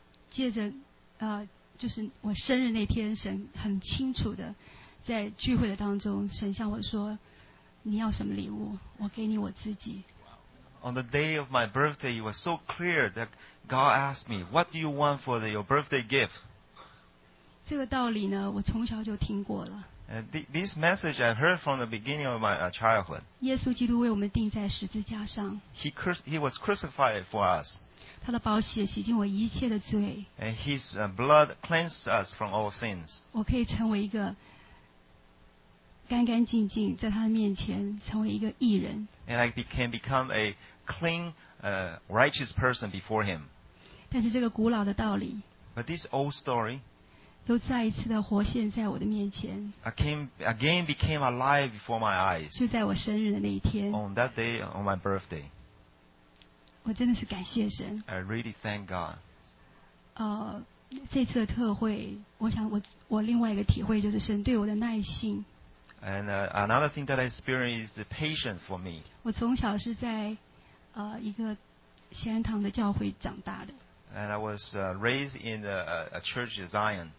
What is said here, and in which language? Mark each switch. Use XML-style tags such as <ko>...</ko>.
<zh>借着就是我生日那天，神很清楚的在聚会的当中，神向我说：“你要什么礼物？我给你我自己。”</zh> <en>On the day of my birthday, it was so clear that God asked me, "What do you want for your birthday gift?"</en> <zh>这个道理呢，我从小就听过了。</zh> <en>This message I heard from the beginning of my childhood.</en> <zh>耶稣基督为我们钉在十字架上。</zh> <en>He was crucified for us.</en> <zh>他的宝血洗净我一切的罪。</zh> <en>And His blood cleansed us from all sins.</en> <zh>我可以成为一个干干净净，在他的面前成为一个义人。</zh> <en>And I can become a clean, righteous person before Him.</en> <zh>但是这个古老的道理。</zh> <en>But this old story.</en> <zh>又再一次的活现在我的面前。</zh> <en>Again became alive before my eyes.</en> <zh>就在我生日的那一天。</zh> <en>On that day, on my birthday.</en> <zh>我真的是感谢神。</zh> <en>I really thank God.</en> <zh>这次的特会，我想我另外一个体会就是神对我的耐心。</zh> <en>And another thing that I experienced is patience for me.</en> <zh>我从小是在一个锡安堂的教会长大的。</zh> <en>And I was raised in a church in Zion.</en>